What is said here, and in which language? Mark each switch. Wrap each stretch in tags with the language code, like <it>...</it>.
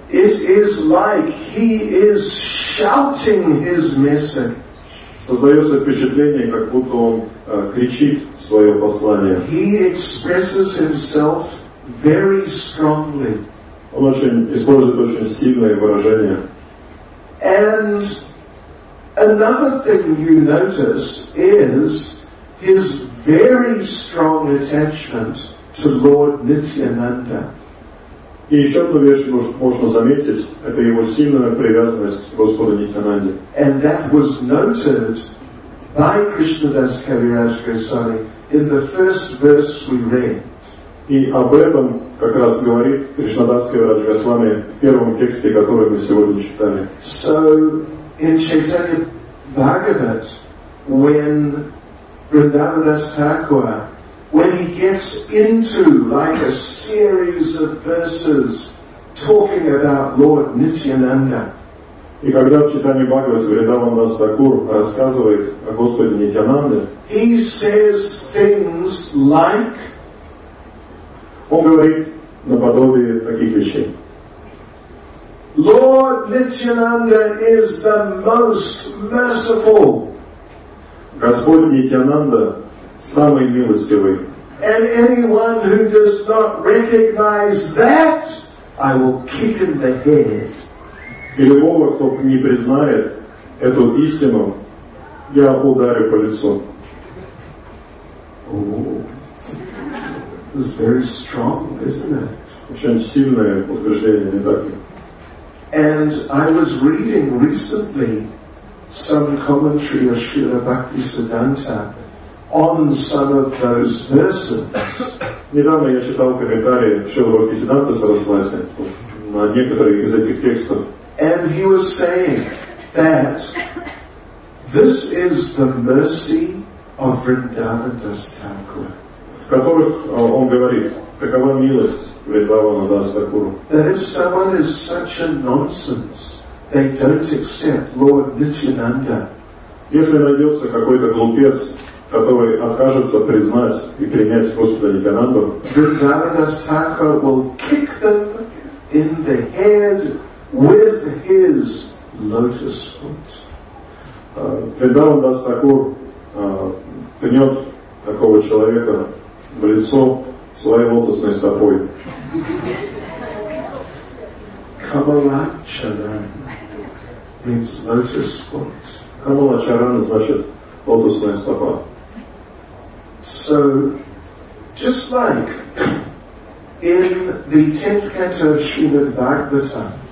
<en>It is like he is shouting his message.</en> <ru>Создается впечатление, как будто он кричит свое послание.</ru> <en>He expresses himself very strongly.</en> <ru>Он очень использует очень сильные выражения.</ru> <en>And another thing you notice is his very strong attachment to Lord Nityananda.</en> <ru>И еще одну вещь можно заметить, это его сильная привязанность к Господу Нитянанде.</ru> <en>And that was noted by Krishnadas Kaviraj Goswami in the first verse we read.</en> <ru>И об этом как раз говорит Кришнадас Кавирадж Госвами в первом тексте, который мы сегодня читали.</ru> <en>So in Chaitanya Bhagavat, when Vrindavanas Thakura, when he gets into like a series of verses talking about Lord Nityananda.</en> <ru>И когда в Чайтанье Бхагавате Вриндаванадас Такур рассказывает о Господе Нитянанде,</ru> <en>he says things like.</en> <ru>Он говорит наподобие таких вещей.</ru> <en>Lord Nityananda is the most merciful.</en> <ru>Господь Нитянанда самый милостивый.</ru> <en>And anyone who does not recognize that, I will kick in the head.</en> <ru>И любого, кто не признает эту истину, я ударю по лицу.</ru> <en>This is very strong, isn't it?</en> <ru>Очень сильное утверждение, не так ли?</ru> <en>And I was reading recently some commentary of Srila Bhaktisiddhanta on some of those verses.</en> <ru>Недавно я читал комментарии Шрила Бхактисиддханта Сарасвати на некоторые из этих текстов.</ru> <en>And he was saying that this is the mercy of Vrindavanadas Thakura.</en> <ru>В которых он говорит, какова милость Вриндавана Дас Такуру.</ru> <en>That if someone is such a nonsense, they don't accept Lord Nityananda.</en> <ru>Если найдется какой-то глупец, который откажется признать и принять Господа Нитянанду,</ru> <en>Vrindavanadas Thakura will kick them in the head with his lotus foot.</en> <ru>Вриндавана Дас Такур пнет такого человека в лицо своей лотосной стопой.</ru> <en>Камалачаран means lotus foot.</en> <ru>Камалачаран значит лотосная стопа.</ru> <en>So, just like in the 10th canto of Srimad Bhagavatam,</en>